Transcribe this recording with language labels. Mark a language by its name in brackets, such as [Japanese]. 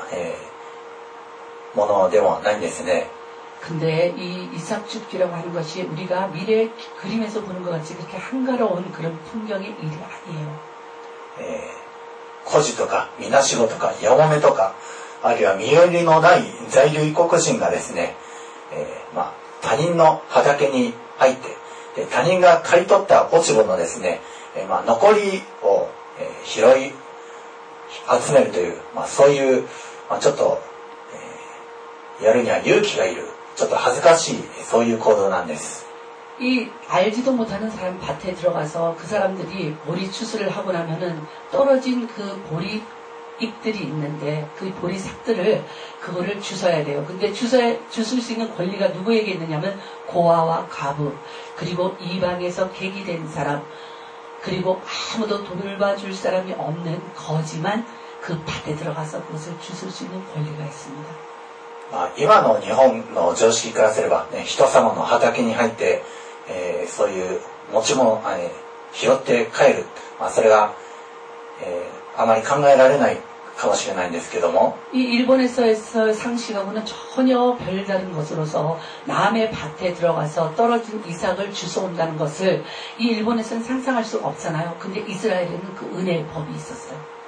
[Japanese] でも落ち穂拾いはそんなにですね、まだのどかなものでもないんですね。 [Korean] 근데 이 이삭 줍기라고 하는 것이 우리가 미래 그림에서 보는 것 같이 그렇게 한가로운 그런 풍경의 일이 아니에요. [Japanese] 고지とか 미나시고とか 야모메とか あるいは身寄りのない在留異国人がですね、他人の畑に入って、他人が刈り取った落ち穂のですね、残りを拾い集めるという、そういう、ちょっと、やるには勇気がいる。ちょっと恥ずかしい、そういう行動なんです。 [Korean] 이 알지도 못하는 사람 밭에 들어가서 그 사람들이 보리 추수를 하고 나면은 떨어진 그 보리 잎들이 있는데 그 보리 삭들을 그거를 주워야 돼요. 근데 주울 수 있는 권리가 누구에게 있느냐면 고아와 가부 그리고 이방에서 객이 된 사람 그리고 아무도 돌봐줄 사람이 없는 거지만 그 밭에 들어가서 그것을 주울 수 있는 권리가 있습니다. [Japanese] 今の日本の常識からすれば、人様の畑に入って、そういう持ち物を拾って帰る、それがあまり考えられないかもしれないんですけども。 [Korean] 이 일본에서의 상식하고는 전혀 별다른 것으로서 남의 밭에 들어가서 떨어진 이삭을 주워온다는 것을 이 일본에서는 상상할 수 없잖아요. 근데 이스라엘에는 그 은혜의 법이 있었어요.